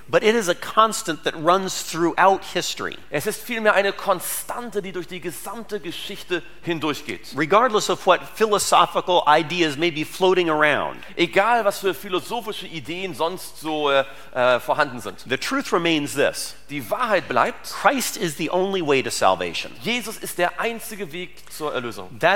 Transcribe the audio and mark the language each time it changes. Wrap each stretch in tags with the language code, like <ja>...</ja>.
<en>But it is a constant that runs throughout history.</en> <de>Es ist vielmehr eine Konstante, die durch die gesamte Geschichte hindurchgeht.</de> <en>Regardless of what philosophical ideas may be floating around.</en> <de>Egal, was für philosophische Ideen sonst so vorhanden sind.</de> <en>The truth remains this.</en> <de>Die Wahrheit bleibt:</de> <en>Christ is the only way to salvation.</en> <de>Jesus ist der einzige Weg zur Erlösung.</de>